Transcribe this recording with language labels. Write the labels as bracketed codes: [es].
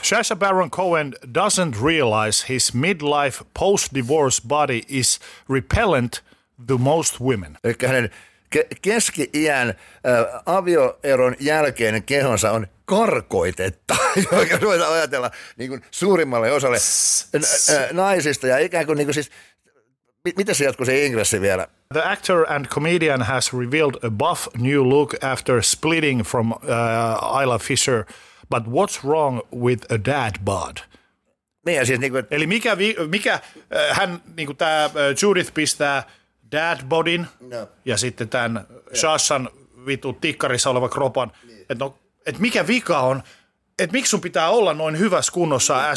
[en] Sacha Baron Cohen doesn't realize his midlife post-divorce body is repellent the most women. [fi] Eli hänen keski-iän avioeron jälkeinen kehonsa on karkoitetta, joka voidaan ajatella niin kuin suurimmalle osalle naisista. Ja ikään kuin, niin kuin siis, miten se jatkuu se ingressi vielä? [en] The actor and comedian has revealed a buff new look after splitting from Isla Fisher. But what's wrong with a dad bod? [fi] Niin, siis niin kuin, eli mikä hän, niin kuin tämä Judith pistää dad bodin no. ja sitten tämän Shashan vitu tikkarissa olevan kropan. Niin. Että no, et mikä vika on? Että miksi sun pitää olla noin hyvässä kunnossa niin.